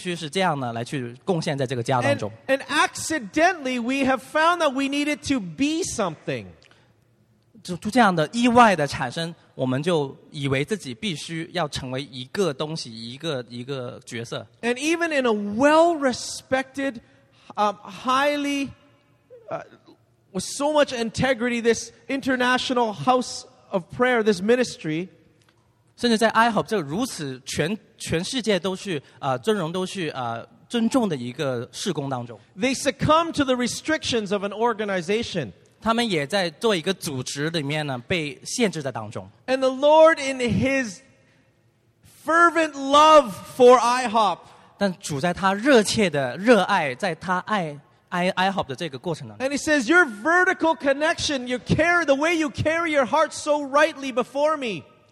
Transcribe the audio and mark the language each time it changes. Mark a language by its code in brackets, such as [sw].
[zh] 或者是你是搞音乐的，我们就觉得你就用你的这个恩赐，必须是这样呢来去贡献在这个家当中。 [en] And accidentally, we have found that we needed to be something. [zh] 就这样的意外的产生，我们就以为自己必须要成为一个东西，一个角色。 [en] And even in a well-respected, highly, with so much integrity, this international house of prayer, this ministry. [zh] 甚至在 IHOP 这如此全世界都是尊荣都是尊重的一个事工当中。 [en] They succumb to the restrictions of an organization. [zh] 他们也在做一个组织里面呢，被限制在当中。 [en] And the Lord in His fervent love for IHOP. [zh] 但主在他热切的热爱，在他爱IHOP的这个过程当中。 [en] And He says, "Your vertical connection, your care, the way you carry your heart so rightly before Me."